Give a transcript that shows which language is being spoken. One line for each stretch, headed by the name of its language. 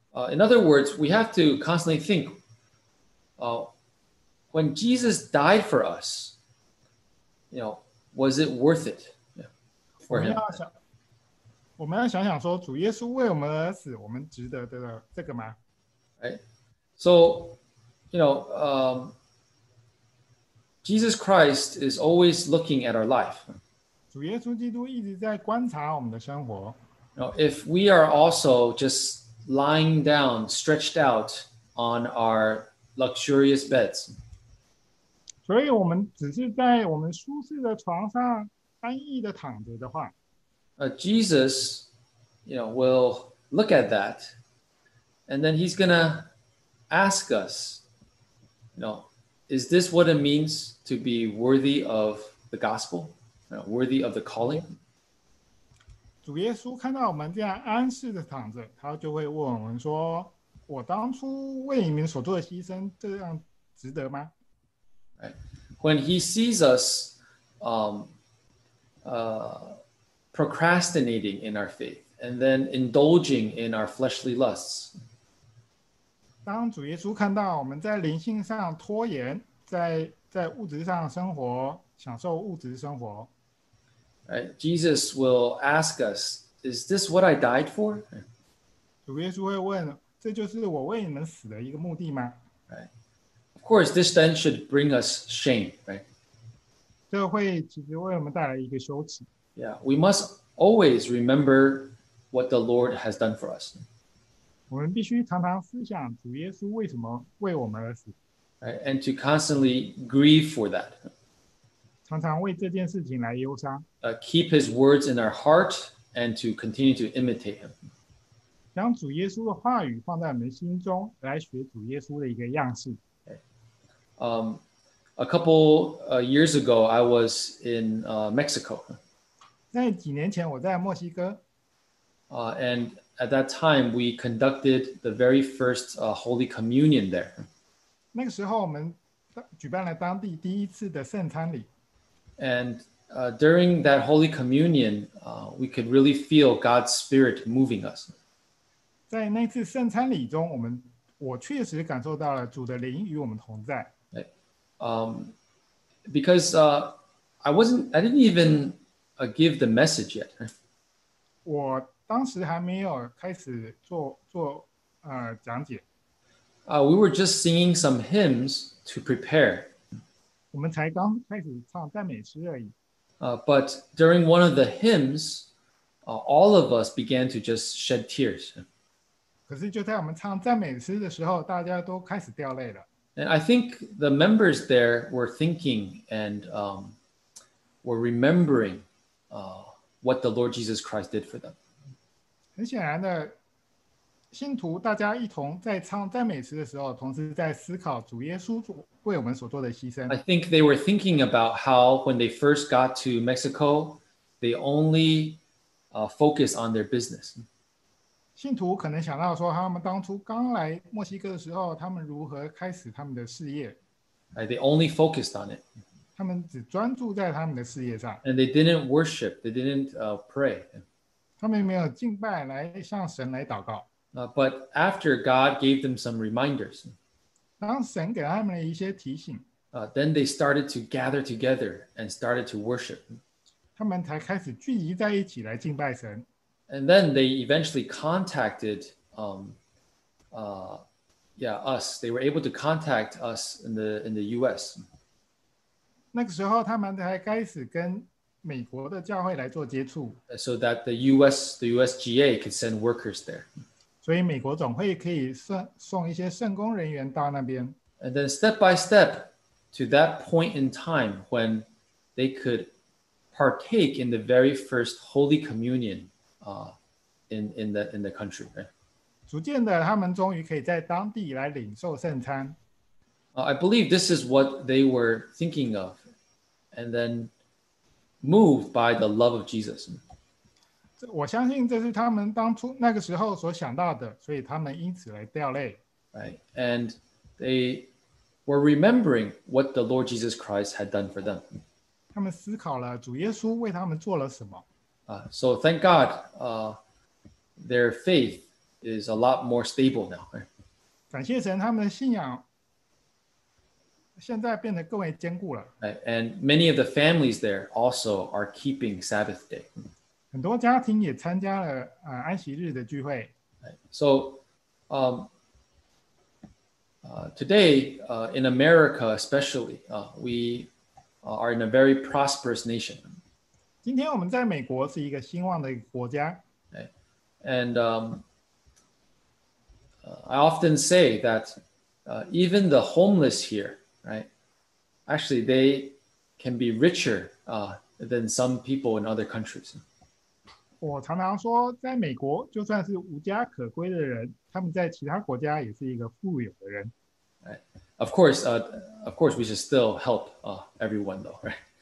English: In other words, we have to constantly think, when Jesus died for us, you know, was it worth it for him?
Chinese: 我们要想想说，主耶稣为我们而死，我们值得的这个吗？
English: Right. So, you know, Jesus Christ is always looking at our life.
Chinese: 主耶稣基督一直在观察我们的生活。
English: You know, if we are also just lying down, stretched out on our luxurious beds.
Chinese: 所以我们只是在我们舒适的床上安逸的躺着的话。
English: Jesus, you know, will look at that, and then he's going to ask us, you know, is this what it means to be worthy of the gospel, you know, worthy of the calling?
Chinese: 主耶稣看到我们这样安适的躺着，他就会问我们说，我当初为你们所做的牺牲，这样值得吗？
English: Right. when he sees us procrastinating in our faith and then indulging in our fleshly lusts.
Chinese: 当主耶稣看到我们在灵性上拖延，在物质上生活，享受物质生活。
English: Right. Jesus will ask us, is this what I died for?
Chinese: 主耶稣会问，这就是我为你们死的一个目的吗？
English: Right. Of course, this then should bring us shame, right?
Chinese: 这会其实为我们带来一个羞耻。
English: Yeah, we must always remember what the Lord has done for us.
Chinese: 我们必须常常思想主耶稣为什么为我们而死。
English: Right. And to constantly grieve for that.
Chinese: 常常为这件事情来忧伤。
English: Keep his words in our heart and to continue to imitate him.
Chinese: 将主耶稣的话语放在我们心中，来学主耶稣的一个样式。
English: A couple years ago, I was in Mexico.
Chinese: 在几年前，我在墨西哥。
English: And at that time, we conducted the very first Holy Communion there.
Chinese: 那个时候，我们举办了当地第一次的圣餐礼。
English: During that Holy Communion, we could really feel God's Spirit moving us.
Chinese: 在那次圣餐礼中，我确实感受到了主的灵与我们同在。
English: Because I didn't even give the message yet.
Chinese: 我当时还没有开始做讲解。
English: We were just singing some hymns to prepare.
Chinese: 我们才刚开始唱赞美诗而已。
English: But during one of the hymns, all of us began to just shed tears.
Chinese: 可是就在我们唱赞美诗的时候，大家都开始掉泪了。
English: And I think the members there were thinking and were remembering what the Lord Jesus Christ did for them.
Chinese: 很显然的，信徒大家一同在唱赞美诗的时候，同时在思考主耶稣为我们所做的牺牲。
English: I think they were thinking about how when they first got to Mexico, they only focused on their business.
Chinese: 信徒可能想到说，他们当初刚来墨西哥的时候，他们如何开始他们的事业。
English: They only focused on it.
Chinese: 他们只专注在他们的事业上。
English: And they didn't worship, they didn't pray.
Chinese: 他们没有敬拜来向神来祷告。
English: But after God gave them some reminders,
Chinese: 当神给他们一些提醒,
English: then they started to gather together and started to worship.
Chinese: 他们才开始聚集在一起来敬拜神。
English: And then they eventually contacted us. They were able to contact us in the US.
Chinese: 那个时候他们才开始跟美国的教会来做接触。
English: So that the USGA could send workers there.
Chinese: 所以美国总会可以送一些圣工人员到那边。
English: And then step by step to that point in time when they could partake in the very first Holy Communion. In the country.
Chinese: 逐渐的，他们终于可以在当地来领受圣餐。
English: I believe this is what they were thinking of, and then moved by the love of Jesus.
Chinese: 我相信这是他们当初那个时候所想到的，所以他们因此来掉泪。
English: Right, and they were remembering what the Lord Jesus Christ had done for them.
Chinese: 他们思考了主耶稣为他们做了什么。
English: So thank God, their faith is a lot more stable now.
Chinese: 感谢神，他们的信仰现在变得更为坚固了。
English: And many of the families there also are keeping Sabbath day.
Chinese: 很多家庭也参加了安息日的聚会。
English: So, today, in America especially, we are in a very prosperous nation.
Chinese: 今天我们在美国是一个兴旺的国家。
English: And I often say that even the homeless here, right, actually they can be richer than some people in other countries.
Chinese: 我常常说，在美国就算是无家可归的人，他们在其他国家也是一个富有的人。
English: Of course, we should still help everyone though, right?